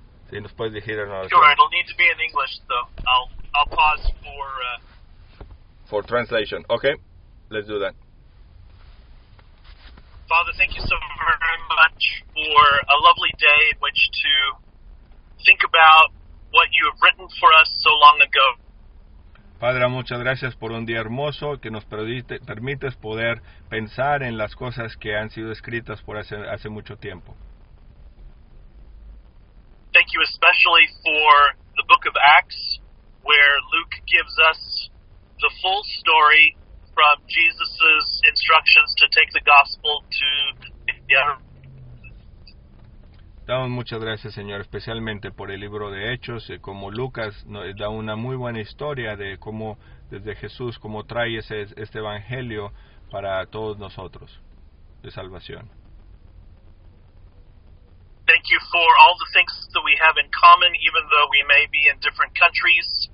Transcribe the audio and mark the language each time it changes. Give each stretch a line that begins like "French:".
English: Sure, it'll need to be in English, though. I'll pause for translation. Okay, let's do that. Father, thank you so very much for a lovely day in which to think about what you have written for us so long ago.
Spanish: Padre, muchas gracias por un día hermoso que nos permites poder pensar en las cosas que han sido escritas por hace mucho tiempo.
English: Thank you especially for the book of Acts, where Luke gives us the full story from Jesus' instructions to take the gospel to the
Spanish: other. Damos muchas gracias, Señor, especialmente por el libro de Hechos, como Lucas da una muy buena historia de cómo desde Jesús, cómo trae este evangelio para todos nosotros de salvación.
English: Thank you for all the things that we have in common, even though we may be in different countries.